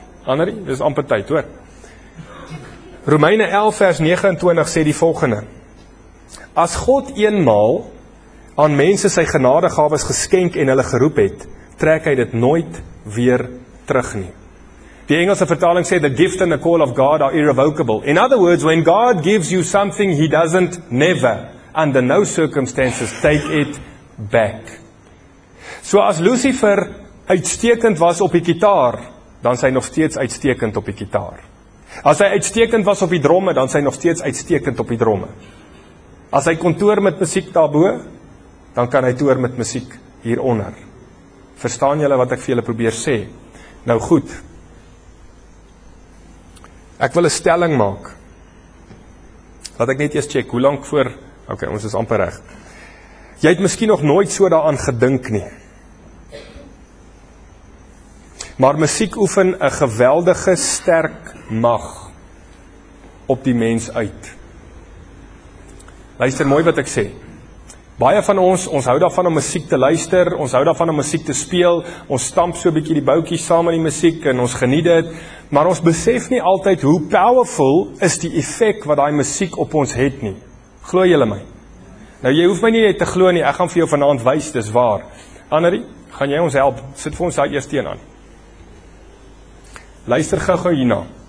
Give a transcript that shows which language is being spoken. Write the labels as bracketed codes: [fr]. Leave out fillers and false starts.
[af] Annerie, dis amper tyd, hoor. Romeine 11 vers 29 sê die volgende, as God eenmaal aan mense sy genadegawes geskenk en hulle geroep het, trek hy dit nooit weer terug nie. Die Engelse vertaling sê, [en] the gift and the call of God are irrevocable. In other words, when God gives you something, he doesn't never, under no circumstances, take it back. [af] So as Lucifer uitstekend was op die gitaar, dan is hy nog steeds uitstekend op die gitaar. As hy uitstekend was op die dromme, dan is hy nog steeds uitstekend op die dromme. As hy kon toer met musiek daarbo, dan kan hy toer met musiek hieronder. Verstaan julle wat ek vir julle probeer sê? Nou goed, ek wil 'n stelling maak. Laat ek net eers check, hoe lank voor... Ok, ons is amper reg. Jy het miskien nog nooit so daaraan gedink nie. Maar musiek oefen 'n geweldige, sterk mag op die mens uit. Luister mooi wat ek sê. Baie van ons hou daarvan om musiek te luister, ons hou daarvan om musiek te speel, ons stamp so 'n bietjie die boutjies saam in die musiek en ons geniet dit, maar ons besef nie altyd hoe powerful is die effek wat daai musiek op ons het nie. Glo julle my? Nou, jy hoef my nie te glo nie, ek gaan vir jou vanavond wys, dis waar. Annerie, gaan jy ons help? Sit vir ons daai eerste een aan. Luister gou-gou hierna.